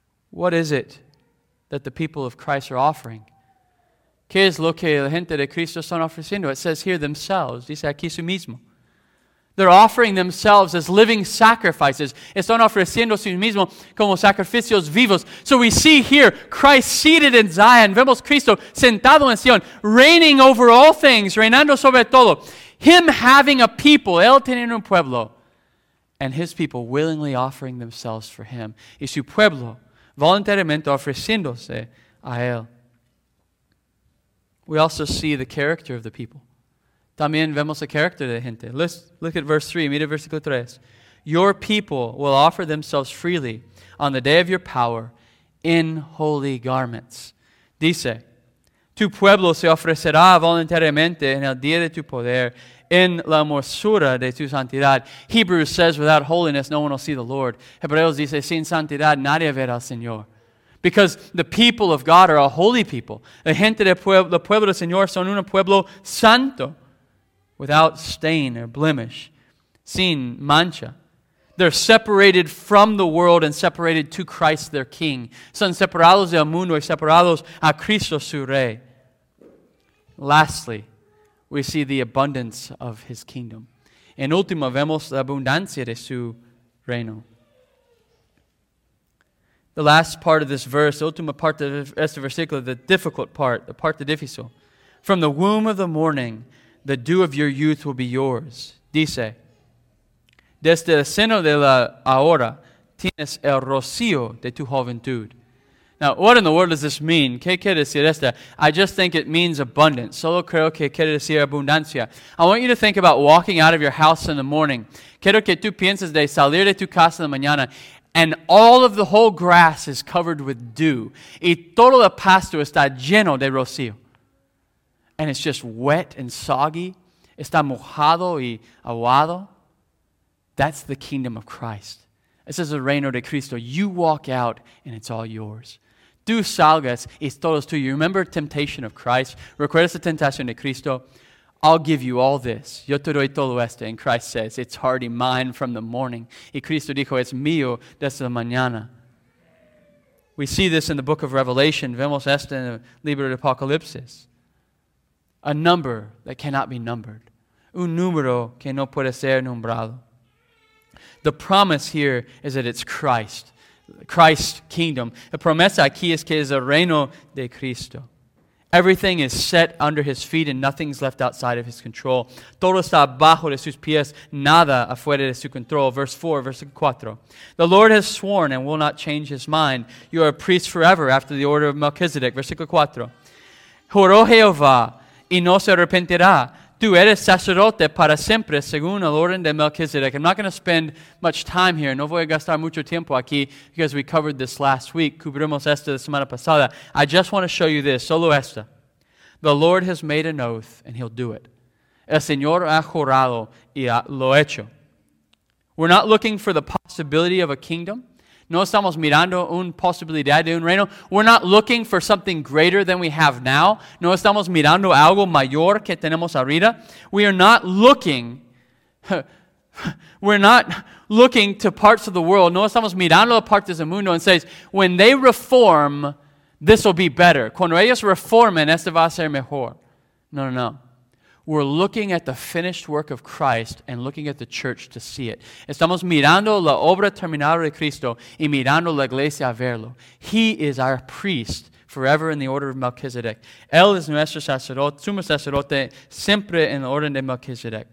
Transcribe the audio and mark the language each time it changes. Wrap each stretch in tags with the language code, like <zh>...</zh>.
<en>What is it that the people of Christ are offering?</en> <es>¿Qué es lo que la gente de Cristo están ofreciendo?</es> <en>It says here themselves,</en> <es>dice aquí su mismo.</es> <en>They're offering themselves as living sacrifices.</en> <es>Están ofreciendo a sí mismo como sacrificios vivos.</es> <en>So we see here Christ seated in Zion.</en> <es>Vemos Cristo sentado en Sion,</es> <en>reigning over all things,</en> <es>reinando sobre todo.</es> <en>Him having a people,</en> <es>él teniendo un pueblo,</es> <en>and his people willingly offering themselves for him.</en> <es>Y su pueblo voluntariamente ofreciéndose a él.</es> <en>We also see the character of the people.</en> <es>También vemos el carácter de la gente.</es> <en>Let's look at verse 3.</en> <es>Mira versículo 3.</es> <en>Your people will offer themselves freely on the day of your power in holy garments.</en> <es>Dice, tu pueblo se ofrecerá voluntariamente en el día de tu poder en la hermosura de tu santidad.</es> <en>Hebrews says, without holiness, no one will see the Lord.</en> <es>Hebreos dice, sin santidad, nadie verá al Señor.</es> <en>Because the people of God are a holy people.</en> <es>La gente del pueblo del Señor son un pueblo santo.</es> <en>Without stain or blemish,</en> <es>sin mancha.</es> <en>They're separated from the world and separated to Christ their King.</en> <es>Son separados del mundo y separados a Cristo su Rey.</es> <en>Lastly, we see the abundance of his kingdom.</en> <es>En último, vemos la abundancia de su reino.</es> <en>the last part of this verse, the</en> <es>ultima parte</es> <en>of</en> <es>este versículo,</es> <en>the difficult part, the</en> <es>parte difícil.</es> <en>From the womb of the morning, the dew of your youth will be yours.</en> <es>Dice, desde el seno de la ahora, tienes el rocío de tu juventud.</es> <en>Now, what in the world does this mean?</en> <es>¿Qué quiere decir esta?</es> <en>I just think it means abundance.</en> <es>Solo creo que quiere decir abundancia.</es> <en>I want you to think about walking out of your house in the morning.</en> <es>Quiero que tú pienses de salir de tu casa en la mañana.</es> <en>And all of the whole grass is covered with dew.</en> <es>Y todo el pasto está lleno de rocío.</es> <en>And it's just wet and soggy.</en> <es>Está mojado y aguado.</es> <en>That's the kingdom of Christ. This is the</en> <es>reino de Cristo.</es> <en>You walk out and it's all yours.</en> <es>Tú salgas y todo es tuyo.</es> <en>You remember temptation of Christ?</en> <es>Recuerdas la tentación de Cristo?</es> <en>I'll give you all this.</en> <es>Yo te doy todo esto.</es> <en>And Christ says, it's already mine from the morning.</en> <es>Y Cristo dijo, es mío desde la mañana.</es> <en>We see this in the book of Revelation.</en> <es>Vemos esto en el libro de Apocalipsis.</es> <en>A number that cannot be numbered.</en> <es>Un número que no puede ser nombrado.</es> <en>The promise here is that it's Christ, Christ's kingdom.</en> <es>La promesa aquí es que es el reino de Cristo.</es> <en>Everything is set under his feet and nothing's left outside of his control.</en> <es>Todo está bajo de sus pies, nada afuera de su control.</es> <en>Verse 4, verse 4. The Lord has sworn and will not change his mind. You are a priest forever after the order of Melchizedek.</en> <es>Versículo 4. Juró Jehová y no se arrepentirá. Tú eres sacerdote para siempre, según el orden de Melchizedek.</es> <en>I'm not going to spend much time here.</en> <es>No voy a gastar mucho tiempo aquí</es> <en>because we covered this last week.</en> <es>Cubrimos esto la semana pasada.</es> <en>I just want to show you this.</en> <es>Solo esto.</es> <en>The Lord has made an oath and he'll do it.</en> <es>El Señor ha jurado y lo hecho.</es> <en>We're not looking for the possibility of a kingdom.</en> <es>No estamos mirando un posibilidad de un reino.</es> <en>We're not looking for something greater than we have now.</en> <es>No estamos mirando algo mayor que tenemos ahorita.</es> <en>We are not looking. We're not looking to parts of the world.</en> <es>No estamos mirando a partes del mundo</es> <en>and says, when they reform, this will be better.</en> <es>Cuando ellos reformen, esto va a ser mejor. No, no, no.</es> <en>We're looking at the finished work of Christ and looking at the church to see it.</en> <es>Estamos mirando la obra terminada de Cristo y mirando la iglesia a verlo.</es> <en>He is our priest forever in the order of Melchizedek.</en> <es>Él es nuestro sacerdote, sumo sacerdote, siempre en la orden de Melchizedek.</es>